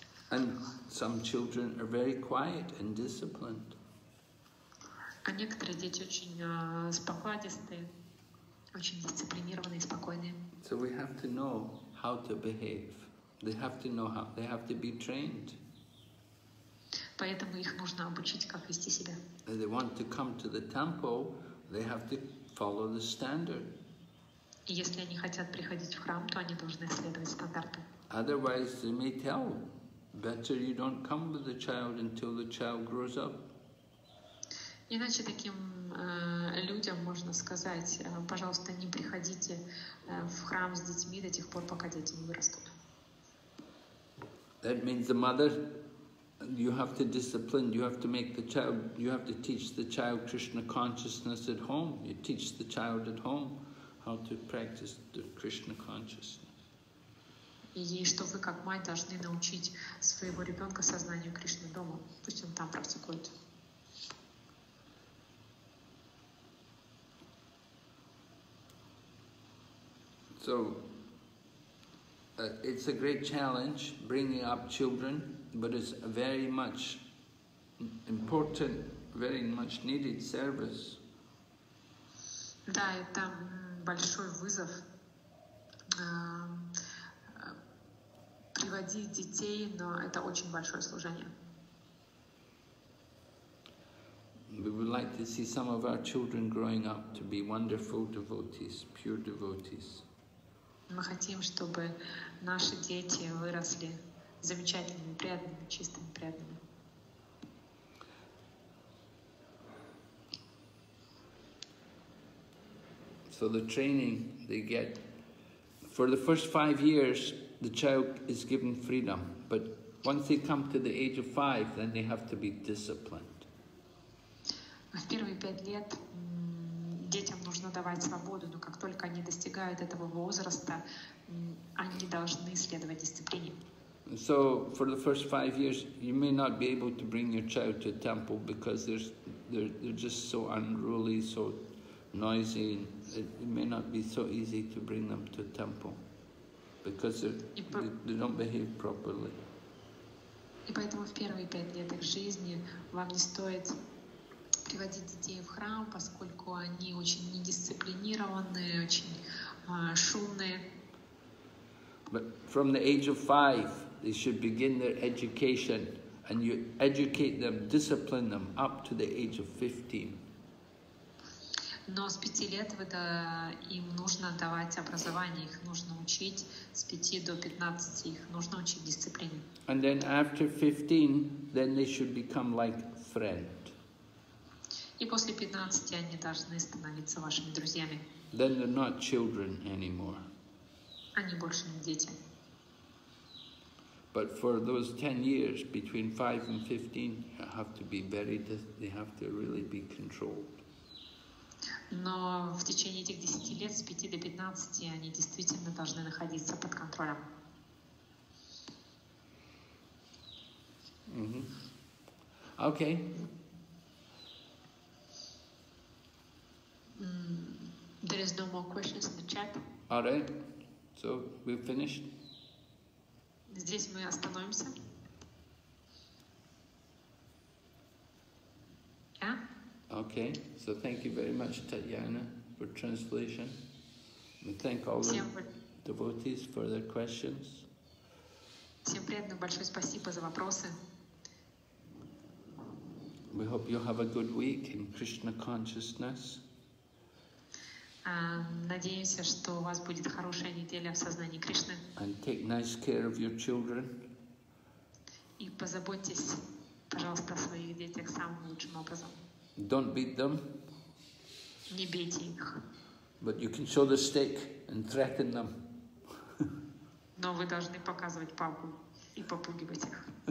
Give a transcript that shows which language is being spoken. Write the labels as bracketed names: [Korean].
[English] And some children are very quiet and disciplined. [Russian] А некоторые дети очень спокойные. Очень дисциплинированные, спокойные. [English] So we have to know how to behave. They have to be trained. [Russian] Поэтому их нужно обучить, как вести себя. [English] If they want to come to the temple, they have to follow the standard. [Russian] И если они хотят приходить в храм, то они должны следовать стандарту. [English] Otherwise, they may tell, better you don't come with the child until the child grows up. [Russian] Иначе таким людям можно сказать, пожалуйста, не приходите в храм с детьми до тех пор, пока дети не вырастут. [English] That means the mother, you have to discipline, you have to make the child, you have to teach the child Krishna consciousness at home. You teach the child at home how to practice the Krishna consciousness. [Russian] И что вы как мать должны научить своего ребенка сознанию Кришны дома, пусть он там практикует. [English] So, It's a great challenge bringing up children, but it's a very much important, very much needed service. [Russian] Да, это большой вызов приводить детей, но это очень большое служение. [English] We would like to see some of our children growing up to be wonderful devotees, pure devotees. [Russian] Мы хотим, чтобы наши дети выросли замечательными, преданными, чистыми, преданными. [English] So the training they get for the first 5 years, the child is given freedom. But once they come to the age of 5, then they have to be disciplined. [Russian] В первые 5 лет детям нужно давать свободу, но как только они достигают этого возраста, они должны следовать дисциплине. [English] So for the first 5 years, you may not be able to bring your child to a temple because they're just so unruly, so noisy. It may not be so easy to bring them to a temple because they don't behave properly. [Russian] И поэтому в первые 5 лет их жизни вам не стоит приводить детей в храм, поскольку они очень недисциплинированные, очень шумные. [English] But from the age of 5, they should begin their education, and you educate them, discipline them up to the age of 15. [Russian] Но с 5 лет им нужно давать образование, их нужно учить с 5 до 15, их нужно учить дисциплине. [English] And then after 15, then they should become like friend. [Russian] И после 15 они должны становиться вашими друзьями. [English] Then they're not children anymore. [Russian] Они больше не дети. [English] But for those 10 years between 5 and 15, they have to really be controlled. [Russian] Но в течение этих 10 лет, с 5 до 15, они действительно должны находиться под контролем. [English] Mm-hmm. Okay. There is no more questions in the chat. All right. So we've finished. [Russian] Здесь мы остановимся. [English] Okay, so thank you very much, Tatyana, for translation. We thank all the devotees for their questions. [Russian] Всем преданным большое спасибо за вопросы. [English] We hope you have a good week in Krishna consciousness. [Russian] Надеемся, что у вас будет хорошая неделя в сознании Кришны. [English] And take nice care of your children. [Russian] И позаботьтесь, пожалуйста, о своих детях самым лучшим образом. [English] Don't beat them. [Russian] Не бейте их. [English] But you can show the stick and threaten them. [Russian] Но вы должны показывать палку и попугивать их.